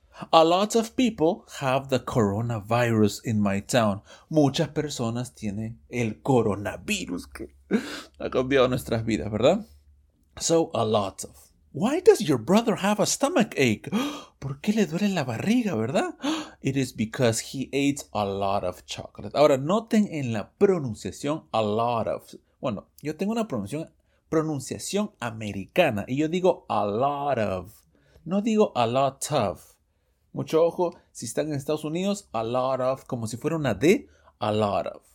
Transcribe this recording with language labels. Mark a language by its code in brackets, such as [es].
[en] A lot of people have the coronavirus in my town. [es] Muchas personas tienen el coronavirus que ha cambiado nuestras vidas, ¿verdad? [en] So, a lot of. Why does your brother have a stomach ache? [es] ¿Por qué le duele la barriga, verdad? [en] It is because he ate a lot of chocolate. [es] Ahora, noten en la pronunciación a lot of. Bueno, yo tengo una pronunciación americana y yo digo a lot of. No digo a lot of. Mucho ojo, si están en Estados Unidos, a lot of, como si fuera una D, a lot of.